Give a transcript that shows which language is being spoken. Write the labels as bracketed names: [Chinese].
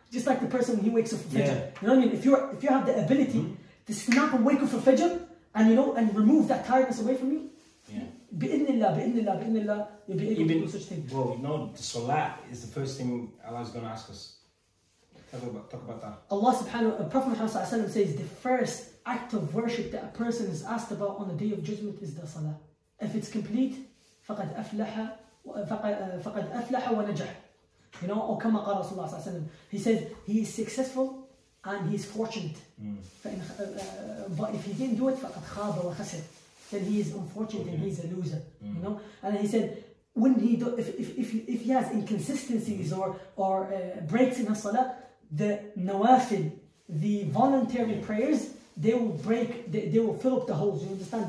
[English] Just like the person when he wakes up for fajr. You know what I mean? If you have the ability to snap and wake up for fajr, and you know, and remove that tiredness away from you, bi-idhnillah, you'll be able to do such things. Well, you know, the salah is the first thing Allah is going to ask us. Talk about that. Allah subhanahu wa ta'ala, Prophet Muhammad sallallahu alayhi wa sallam says, the first act of worship that a person is asked about on the Day of Judgment is the salah. If it's complete, [Arabic] فَقَدْ أَفْلَحَ فَقَدْ أَفْلَحَ وَنَجَحَ. [English] You know, [Arabic] أو كَمَا قَالَ رَسُولُ اللَّهِ صَلَّى اللَّهُ عَلَيْهِ وَسَلَّمَ. [English] He said, he is successful and he is fortunate. But if he didn't do it, [Arabic] فَقَدْ خَابَ وَخَسِرَ. [English] Then he is unfortunate and he's a loser. You know? And he said, when he do, if he has inconsistencies or breaks in his salah, the nawafil, the voluntary prayers, they will break, they will fill up the holes, you understand?